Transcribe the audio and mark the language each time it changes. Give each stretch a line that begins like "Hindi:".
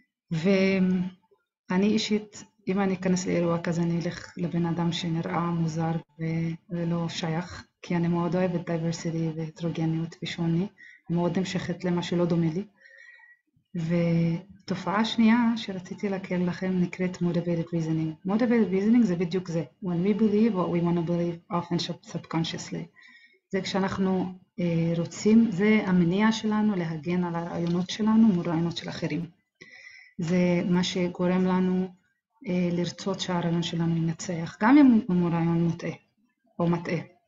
Hebrew: ואני אישית, אם אני אכנס לאירוע כזה, אני אלך לבן אדם שנראה מוזר ולא שייך, כי אני מאוד אוהבת diversity והטרוגניות ושוני, מאוד המשכת למה שלא דומה לי. ותופעה שנייה שרציתי להכיר לכם נקראת motivated reasoning. Motivated reasoning זה בדיוק זה.
English: When we believe what we want to believe, often subconsciously.
Hebrew: זה כשאנחנו רוצים, זה המניע שלנו להגן על הרעיונות שלנו מול רעיונות של אחרים. זה מה שגורם לנו לרצות שהרעיון שלנו ינצח, גם אם הוא רעיון מוטעה או מטעה.